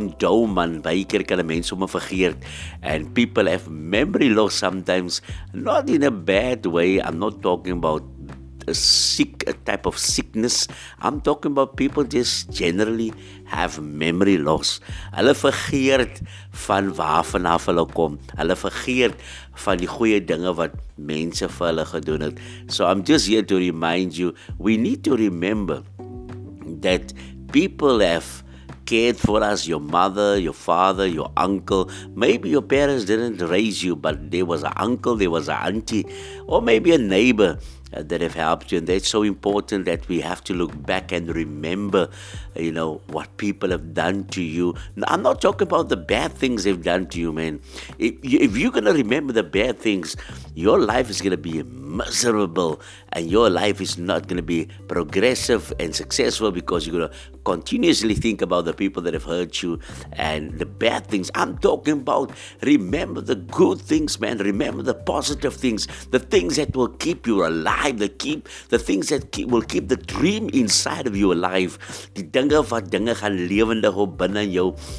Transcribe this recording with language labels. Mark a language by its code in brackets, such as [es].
[en] And people have memory loss sometimes, not in a bad way. I'm not talking about a type of sickness. I'm talking about people just generally have memory loss. [af] Hulle vergeet van waarvan af hulle kom. Hulle vergeet van die goeie dinge wat mense vir hulle gedoen het. [en] So I'm just here to remind you, we need to remember that people have cared for us, your mother, your father, your uncle. Maybe your parents didn't raise you, but there was an uncle, there was an auntie, or maybe a neighbor that have helped you. And that's so important that we have to look back and remember, you know, what people have done to you. Now, I'm not talking about the bad things they've done to you, man. If you're going to remember the bad things, your life is going to be miserable, and your life is not going to be progressive and successful, because you're going to continuously think about the people that have hurt you and the bad things. I'm talking about remember the good things, man. Remember the positive things, the things that will keep you alive, the things that will keep the dream inside of you alive. [af] Die dinge wat dinge gaan lewendig op binne jou.